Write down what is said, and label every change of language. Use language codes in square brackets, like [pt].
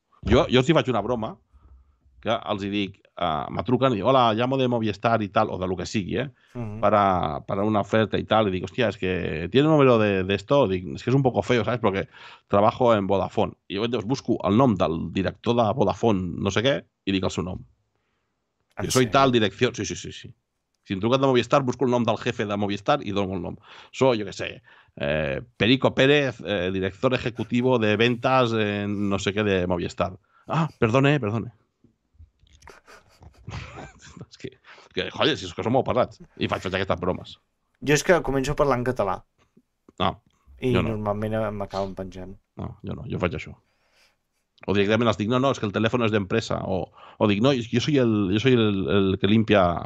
[ca] Jo els hi faig una broma, que els hi dic, me truquen i diuen, hola, [es] llamo de Movistar [ca] i tal, o de lo que sigui, per a una oferta i tal, i dic, hòstia, és que tiene un número d'esto, de dic, és que és [es] un poco feo, [ca] saps, perquè [es] trabajo en Vodafone. [ca] I llavors busco el nom del director de Vodafone, no sé què, i dic el seu nom. Jo soy tal direcció, sí. Si em truquen de Movistar, busco el nom del jefe de Movistar i dono el nom. [es] Soy, [ca] jo què sé, [es] Perico Pérez, director ejecutivo de ventas en [ca] no sé què [es] de Movistar. Ah, perdone. [ca] que joder, si és que som molt parlats. I faig aquestes bromes. Jo és que començo a parlar en català. No, i jo no. I normalment m'acaben penjant. No, jo no, jo faig això. O directament els dic, no, és que el telèfon és d'empresa. O dic, no, jo [es] soy el que limpia.